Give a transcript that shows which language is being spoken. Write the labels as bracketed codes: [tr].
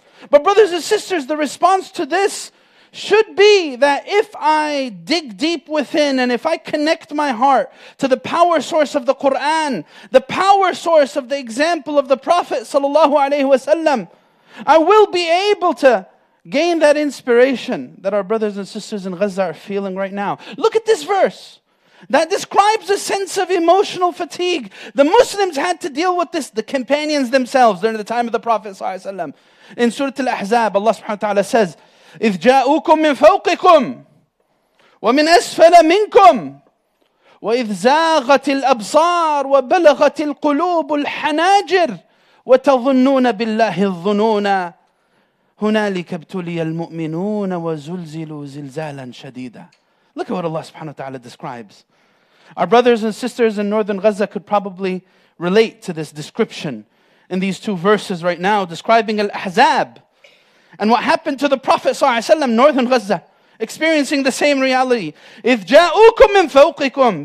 [en] But brothers and sisters, the response to this should be that if I dig deep within and if I connect my heart to the power source of the Quran, the power source of the example of the Prophet sallallahu alaihi wasallam, I will be able to gain that inspiration that our brothers and sisters in Gaza are feeling right now. Look at this verse that describes a sense of emotional fatigue. The Muslims had to deal with this, the companions themselves, during the time of the Prophet sallallahu alaihi wasallam. In Surah Al-Ahzab, Allah subhanahu wa ta'ala says, [ar] إِذْ جَاءُوكُمْ مِنْ فَوْقِكُمْ وَمِنْ أَسْفَلَ مِنْكُمْ وَإِذْ زَاغَتِ الْأَبْصَارُ وَبَلَغَتِ الْقُلُوبُ الْحَنَاجِرُ وَتَظُنُّونَ بِاللَّهِ الظُّنُونَ هُنَالِكَ ابْتُلِيَ الْمُؤْمِنُونَ وَزُلْزِلُوا زِلْزَالًا شَدِيدًا. [en] Look at what Allah subhanahu wa ta'ala describes. Our brothers and sisters in northern Gaza could probably relate to this description in these two verses right now, describing Al-Ahzab and what happened to the Prophet sallallahu alaihi wasallam, northern Gaza, experiencing the same reality. [ar] إِذْ جَاءُوكُمْ مِنْ فَوْقِكُمْ.